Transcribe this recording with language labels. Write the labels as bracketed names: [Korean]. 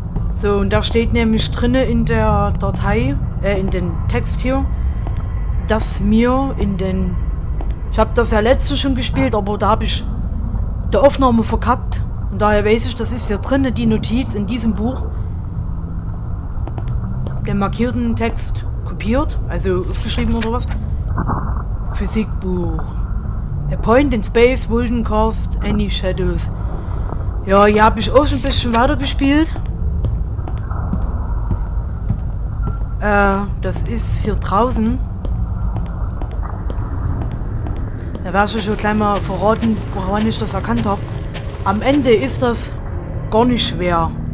[German] So, und da steht nämlich drinne in der Datei, in den Text hier, dass mir in den... Ich habe das ja letzte schon gespielt, aber da habe ich die Aufnahme verkackt. Und daher weiß ich, das ist hier drinne die Notiz in diesem Buch. Den markierten Text kopiert, also aufgeschrieben oder was. Physikbuch. [English] A point in space wouldn't cast any shadows. [German] Ja, hier habe ich auch schon ein bisschen weiter gespielt. Das ist hier draußen. Da werde ich euch schon gleich mal verraten, woran ich das erkannt habe. Am Ende ist das gar nicht schwer.